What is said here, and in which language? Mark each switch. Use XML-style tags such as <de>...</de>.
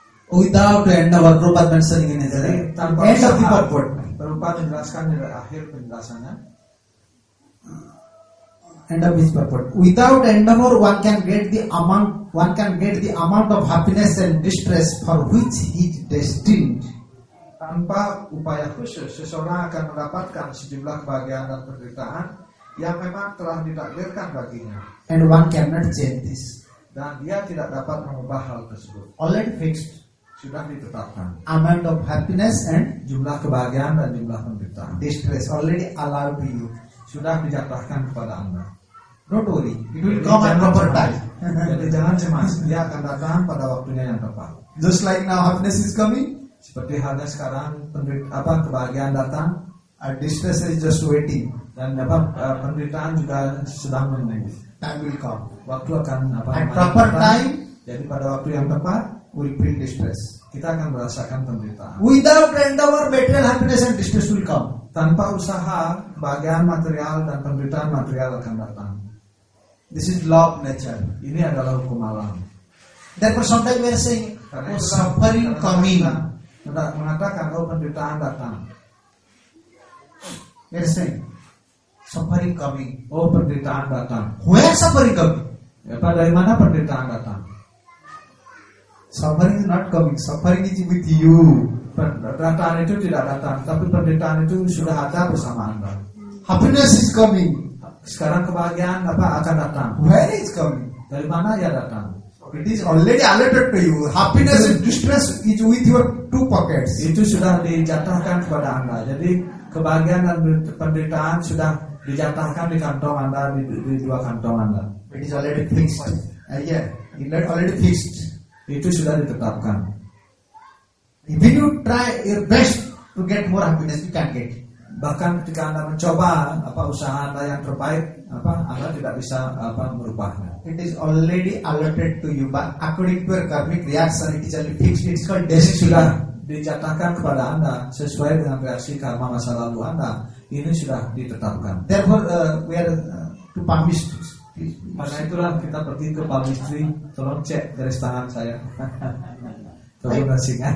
<en>Without the end of our group mentioning in there, end of the purport.</en> <id>Perumpat menjelaskan di akhir penjelasannya.</id> <en>End of his purport. Without end of our, one can get the amount of happiness and distress for which he is destined.</en> <id>Tanpa upaya khusus, seseorang akan mendapatkan sejumlah kebahagiaan dan penderitaan yang memang telah ditakdirkan baginya.</id> <en>And one cannot change this.</en> <id>Dan dia tidak dapat mengubah hal tersebut.</id> <en>Already fixed.</en> <id>Sudah ditetapkan.</id> <en>Amount of happiness and</en> <id>jumlah kebahagiaan dan jumlah penderitaan.</id> <en>Distress already allowed to you.</en> <id>Sudah dijatuhkan kepada Anda.</id> <en>Don't worry. It will come at proper time.</en> <id>Jadi jangan cemas. Dia akan datang pada waktunya yang tepat.</id> <en>Just like now happiness is coming.</en> <id>Seperti halnya sekarang kebahagiaan datang,</id> <en>and distress is just waiting,</en> <id>dan apa penderitaan juga sedang menunggu.</id> <en>Time will come,</en> <id>waktu akan apa?</id> <en>At proper time,</en> <id>jadi pada waktu yang tepat,</id> <en>we'll feel distress.</en> <id>Kita akan merasakan penderitaan.</id> <en>Without endeavor, material happiness and distress will come.</en> <id>Tanpa usaha, kebahagiaan material dan penderitaan material akan datang.</id> <en>This is law of nature.</en> <id>Ini adalah hukum alam.</id> <en>Therefore, sometimes we are saying, karena oh, suffering coming.</en> <id>Mengatakan kalau penderitaan datang.</id> <en>Yes, sir. Suffering coming.</en> <id>Oh, penderitaan datang.</id> <en>Where suffering coming?</en> <id>Apa dari mana penderitaan datang?</id> <en>Suffering is not coming. Suffering is with you.</en> <id>Penderitaan itu tidak datang, tapi penderitaan itu sudah ada bersama Anda.</id> <en>Happiness is coming.</en> <id>Sekarang kebahagiaan apa akan datang?</id> <en>Where is coming?</en> <id>Dari mana ia datang?</id> <en>It is already alerted to you. Happiness and distress is with your two pockets.</en> <id>Itu sudah dijatuhkan kepada Anda. Jadi kebahagiaan dan penderitaan sudah dijatuhkan di kantong Anda, di dua kantong Anda.</id> <en>It is already fixed. Yeah, it is already fixed.</en> <id>Itu sudah ditetapkan.</id> <en>If you try your best to get more happiness, you can't get.</en> <id>Bahkan ketika Anda mencoba apa usaha Anda yang terbaik, apa Anda tidak bisa apa merubahnya.</id> <en>It is already allotted to you, but according to your karmic reaction, it is only fixed. It's called destiny.</en> <id>Sudah dicatatkan kepada Anda sesuai dengan reaksi karma masa lalu Anda. Ini sudah ditetapkan.</id> <en>Therefore, we are to palmistry.</en> <id>Maka itulah kita pergi ke palmistry. Tolong cek garis tangan saya. Terima kasih.</id>